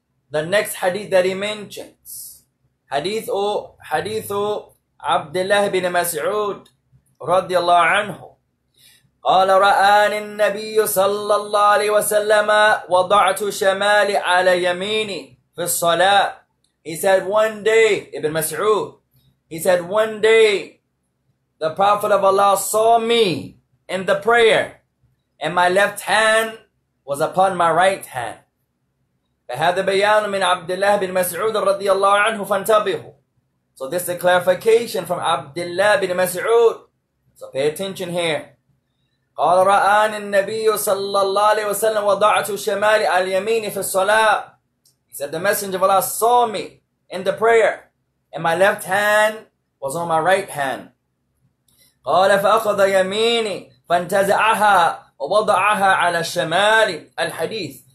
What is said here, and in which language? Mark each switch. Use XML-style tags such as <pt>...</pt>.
<en>The next hadith that he mentions.</en> <ar>حديث عبد الله بن مسعود رضي الله عنه. قال رآني النبي صلى الله عليه وسلم وضعت شمالي على يميني في الصلاة.</ar> <en>He said one day, ابن مسعود, he said one day, the Prophet of Allah saw me in the prayer. And my left hand was upon my right hand.</en> <ar>فهذا بيان من عبد الله بن مسعود رضي الله عنه فانتبهوا.</ar> <en>So this is a clarification from عبد الله بن مسعود. So pay attention here.</en> <ar>قال رآني النبي صلى الله عليه وسلم وضعت شمالي على اليمين في الصلاة.</ar> <en>He said the messenger of Allah saw me in the prayer. And my left hand was on my right hand.</en> <ar>قال فأخذ يميني فانتزعها. وضعها على الشمال الحديث.</ar>